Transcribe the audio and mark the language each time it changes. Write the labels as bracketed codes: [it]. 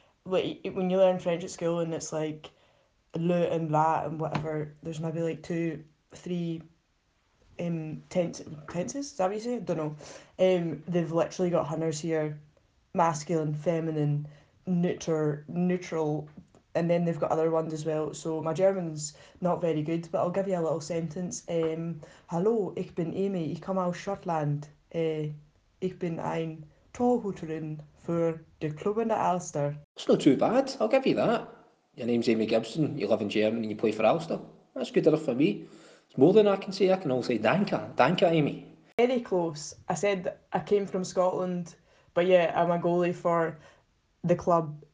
[en] Like, when you learn French at school and it's like le and la and whatever, there's maybe like two, three tenses, is that what you say? I don't know. They've literally got hunters here, masculine, feminine, neutral, and then they've got other ones as well. So my German's not very good, but I'll give you a little sentence. [de] Hallo, ich bin Amy, ich komme aus Schottland. Ich bin ein Torhüterin für der Club in der Alster. [en] It's not too bad, I'll give you that. Your name's Amy Gibson, you live in Germany and you play for Alster. That's good enough for me. More than I can say, I can all say danke. [de] Danke, Amy. [en] Very close. I said I came from Scotland, but yeah, I'm a goalie for the club.